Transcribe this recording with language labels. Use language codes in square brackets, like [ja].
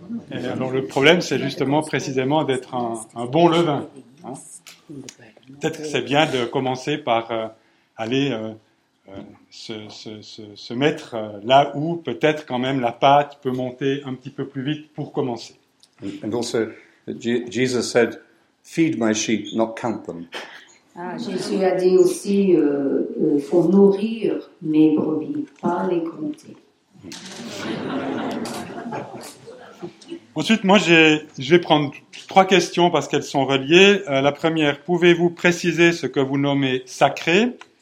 [fr] Et alors le problème, c'est justement précisément d'être un bon levain. Hein. Peut-être que c'est bien de commencer par se mettre là où peut-être quand même la pâte peut monter un petit peu plus vite pour commencer. [en] And also, Jesus said, feed my sheep, not count them. [fr] Jésus a dit aussi, faut nourrir mes brebis, pas les compter. Ensuite, moi, je vais prendre trois questions parce qu'elles sont reliées. La première, pouvez-vous préciser ce que vous nommez sacré?